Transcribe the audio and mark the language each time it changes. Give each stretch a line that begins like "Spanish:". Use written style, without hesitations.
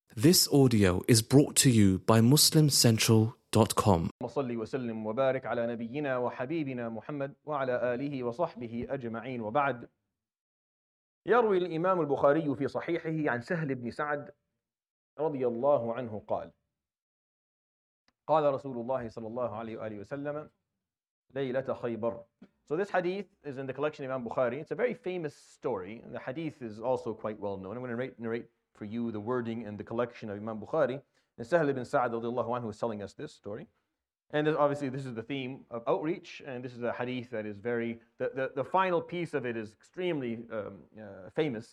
English: This audio is brought to you by MuslimCentral.com.
Arabic: وصلي وسلم وبارك على نبينا وحبيبنا محمد وعلى آله وصحبه أجمعين وبعد. يروي الإمام البخاري في صحيحه عن سهل بن سعد رضي الله عنه قال: قال رسول الله صلى الله عليه وآله وسلم ليلة خيبر.
English: So this hadith is in the collection of Imam Bukhari. It's a very famous story. The hadith is also quite well known. I'm going to narrate for you the wording and the collection of Imam Bukhari. And Sahl ibn Sa'd radiallahu anhu is telling us this story. And obviously this is the theme of outreach, and this is a hadith that is very, the final piece of it is extremely famous.